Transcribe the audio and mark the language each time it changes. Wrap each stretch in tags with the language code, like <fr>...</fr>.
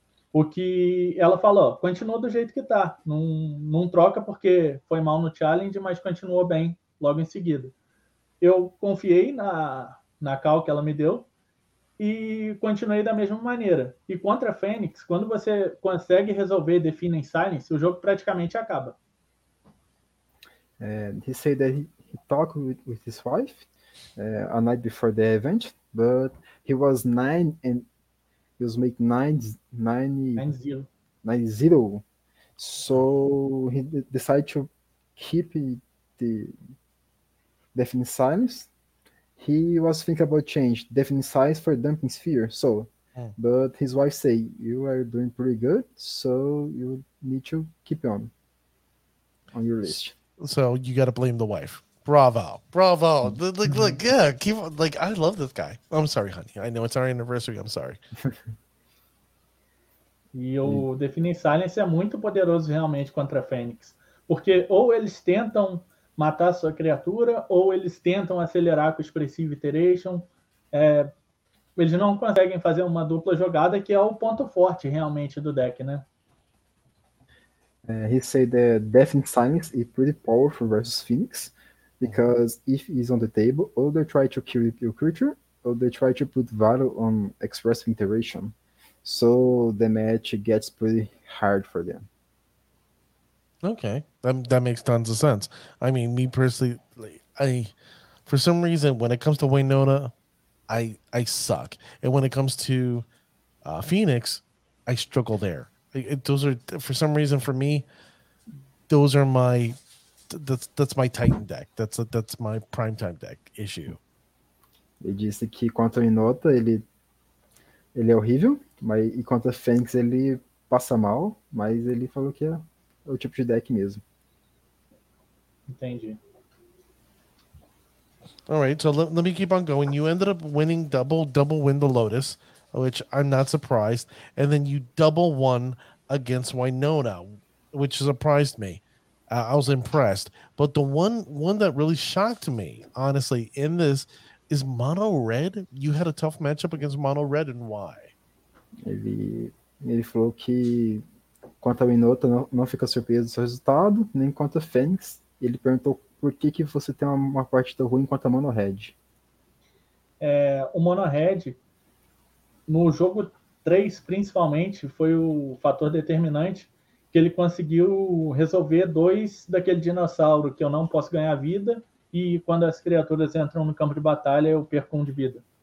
<pt>O que ela falou, continua do jeito que está. Não troca porque foi mal no challenge, mas continuou bem logo em seguida. Eu confiei na call que ela me deu e continuei da mesma maneira. E contra a Fênix, quando você consegue resolver Define em Silence, o jogo praticamente acaba.</pt> <en>He said that he talked with his wife a night before the event, but he was 9 and he was making 9-0. So he decided to keep the Define in Silence. He was thinking about change Define in Silence for Dumping Sphere. So, but his wife say you are doing pretty good, so you need to keep on your list. So you got to blame the wife. Bravo. Bravo. Look, yeah. Keep on, like, I love this guy. I'm sorry, honey. I know it's our anniversary. I'm sorry.</en> <pt>E o Define Silence é muito poderoso realmente contra a Fênix. Porque ou eles tentam matar sua criatura, ou eles tentam acelerar com o Expressive Iteration. Eles não conseguem fazer uma dupla jogada, que é o ponto forte realmente do deck, né?</pt> <en>He said that Define Silence is pretty powerful versus Phoenix, because if he's on the table, or they try to kill your creature, or they try to put value on Express Iteration. So the match gets pretty hard for them. Okay, that makes tons of sense. I mean, me personally, for some reason, when it comes to Wynona, I suck. And when it comes to Phoenix, I struggle there. Those are, for some reason, for me, those are my, that's my Titan deck. That's my primetime deck issue.</en> <pt>Ele disse que quanto a Inota, ele é horrível, mas enquanto a Fênix, ele passa mal, mas ele falou que é o tipo de deck mesmo. Entendi.</pt> <en>All right, so let me keep on going. You ended up winning double win the Lotus, which I'm not surprised, and then you double won against Wynona, which surprised me. I was impressed. But the one that really shocked me, honestly, in this, is Mono Red. You had a tough matchup against Mono Red, and why?</en> <pt>Ele falou que quanto a Wynona não fica surpreso do seu resultado, nem quanto a Fênix. Ele perguntou por que você tem uma partida ruim quanto a Mono Red. O Mono Red, no jogo 3, principalmente, foi o fator determinante que ele conseguiu resolver dois daquele dinossauro que eu não posso ganhar vida e quando as criaturas entram no campo de batalha eu perco um de vida.</pt>